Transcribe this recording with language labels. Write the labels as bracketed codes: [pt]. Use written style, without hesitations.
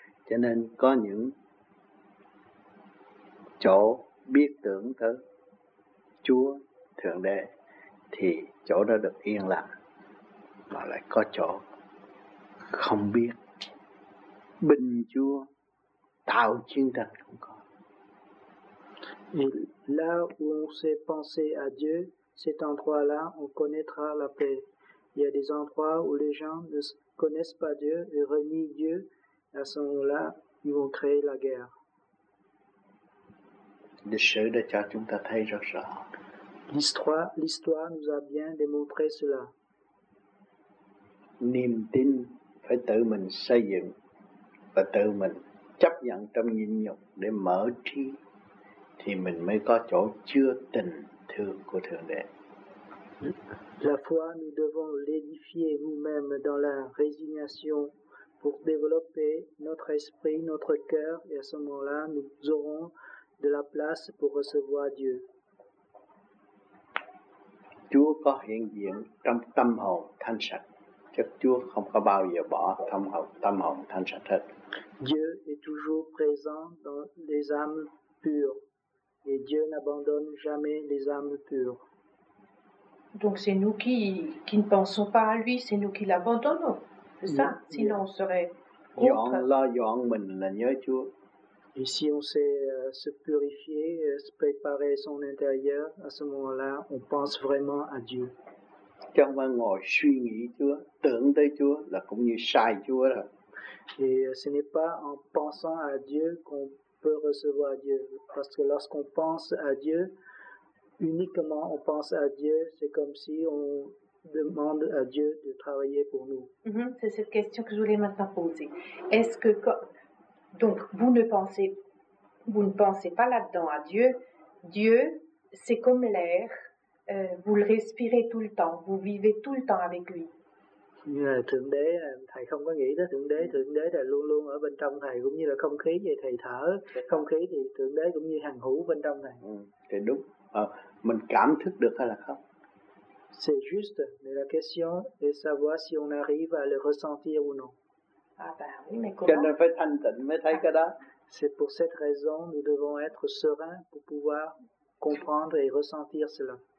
[vi] Cho nên có những chỗ biết tưởng tới Chúa Thượng Đế thì chỗ đó được yên lặng, mà lại có chỗ không biết bình chúa tạo chiến tranh cũng có. [fr] Et là où on sait penser à Dieu, cet endroit-là on connaîtra la paix. Il y a des endroits où les gens ne connaissent pas Dieu et renient Dieu, à ce moment-là ils vont créer la guerre. [vi] Lịch sử đã cho chúng ta thấy rất rõ. [fr] L'histoire nous a bien démontré cela. [vi] Niềm tin phải tự mình xây dựng và tự mình chấp nhận trong nhịn nhục để mở trí thì mình mới có chỗ chứa tình thương của Thượng Đế. [fr] La foi, nous devons l'édifier nous-mêmes dans la résignation pour développer notre esprit, notre cœur, et à ce moment-là, nous aurons de la place pour recevoir Dieu. [vi] Chúa có hiện diện trong tâm hồn thanh sạch, chắc Chúa không có bao giờ bỏ tâm hồn thanh sạch hết. [fr] Dieu est toujours présent dans les âmes pures et Dieu n'abandonne jamais les âmes pures. Donc c'est nous qui ne pensons pas à lui, c'est nous qui l'abandonnons, c'est ça? Sinon on serait contre. [vi] Là dọn mình là nhớ Chúa. [fr] Et si on sait se purifier, se préparer son intérieur, à ce moment-là, on pense vraiment à Dieu. Quand on [vi] ngồi suy nghĩ Chúa, tưởng tới Chúa là cũng như sai Chúa rồi. [fr] Et ce n'est pas en pensant à Dieu qu'on peut recevoir Dieu. Parce que lorsqu'on pense à Dieu, uniquement on pense à Dieu, c'est comme si on demande à Dieu de travailler pour nous. Mm-hmm. C'est cette question que je voulais maintenant poser. Est-ce que... Donc, vous ne pensez pas là-dedans à Dieu. Dieu, c'est comme l'air. Vous le respirez tout le temps. Vous vivez tout le temps avec lui. [vi] Thượng Đế, thầy không có nghĩ tới Thượng Đế là luôn luôn ở bên trong thầy, cũng như là không khí vậy, thầy thở. Không khí thì Thượng Đế cũng như hàng hữu bên trong thầy. Thì đúng. Mình cảm thức được hay là không? [fr] C'est juste, mais la question est savoir si on arrive à le ressentir ou non. Ah ben oui, mais comment? C'est pour cette raison que nous devons être sereins pour pouvoir comprendre et ressentir cela.